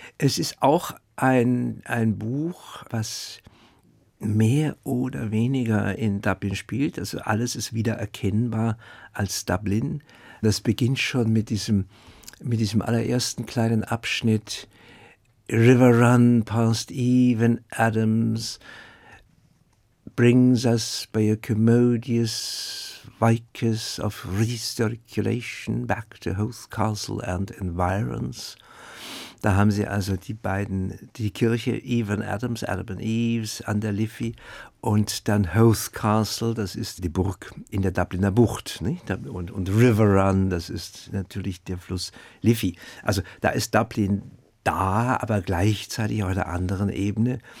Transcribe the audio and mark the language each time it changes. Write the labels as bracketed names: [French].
[German] Es ist auch ein Buch, was mehr oder weniger in Dublin spielt. Also alles ist wieder erkennbar als Dublin. Das beginnt schon mit diesem allerersten kleinen Abschnitt. [English] River Run past Even Adams brings us by a commodious vicus of recirculation back to Howth Castle and environs. [German] Da haben sie also die beiden, die Kirche, Even Adams, Adam and Eves an der Liffey und dann Howth Castle, das ist die Burg in der Dubliner Bucht, nicht? Und River Run, das ist natürlich der Fluss Liffey. Also da ist Dublin da, aber gleichzeitig auf einer anderen Ebene.